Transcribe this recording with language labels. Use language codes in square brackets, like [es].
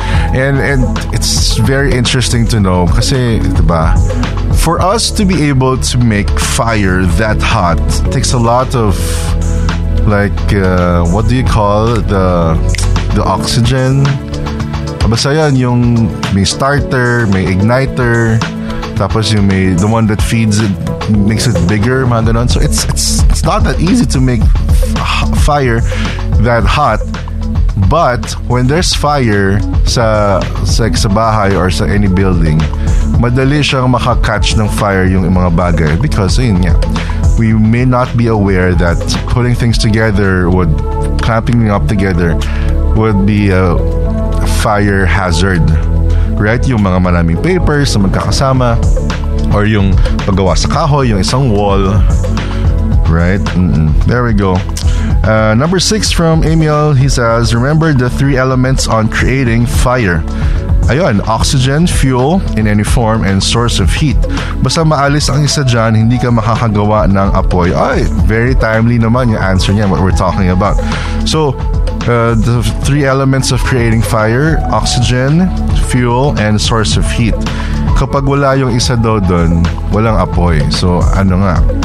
[en] And it's very interesting to know [tl] kasi, diba, [en] for us to be able to make fire that hot takes a lot of, like, what do you call the oxygen? [tl] Basta yan, yung may starter, may igniter, tapos yung may, [en] the one that feeds it, makes it bigger, [tl] mga ganun. [en] So it's not that easy to make fire that hot. But when there's fire [tl] sa bahay or sa any building, madali siyang makakatch ng fire yung mga bagay. [en] Because, [tl] ayun nga, [en] we may not be aware that putting things together, would clamping them up together, would be a fire hazard. Right? [tl] Yung mga maraming papers na magkakasama, or yung paggawa sa kahoy, yung isang wall. [en] Right? Mm-mm. There we go. Number 6 from Emil, he says, "Remember the three elements on creating fire." Ayun, oxygen, fuel in any form, and source of heat. [tl] Basta maalis ang isa dyan, hindi ka makakagawa ng apoy. [en] Ay, very timely [tl] naman yung answer niya, [en] what we're talking about. So, the three elements of creating fire: oxygen, fuel, and source of heat. [tl] Kapag wala yung isa daw dun, walang apoy. [en] So, [tl] ano nga?